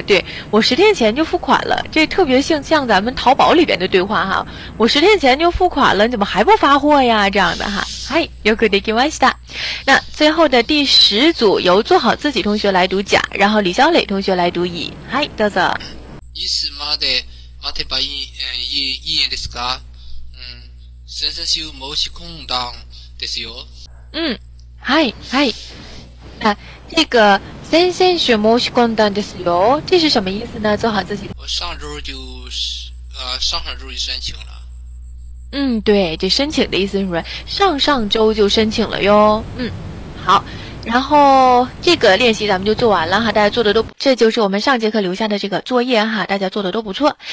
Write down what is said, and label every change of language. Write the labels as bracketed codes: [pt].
[zh] 对，我十天前就付款了，这特别像咱们淘宝里边的对话哈。我十天前就付款了，你怎么还不发货呀？这样的哈。嗨， [ja] よくできました。 [zh] 那最后的第十组由做好自己同学来读甲，然后李小磊同学来读乙。 [ja] 嗨，どうぞ。いつまで待てばいいですか？先々週申し込んだんですよ。嗯。 [zh] 嗨嗨，那这个先先学摩西贡丹的石油，这是什么意思呢？做好自己。我上周就上周就申请了。嗯，对，这申请的意思是什么？上上周就申请了哟。嗯，好，然后这个练习咱们就做完了哈，大家做的都，这就是我们上节课留下的这个作业哈，大家做的都不错。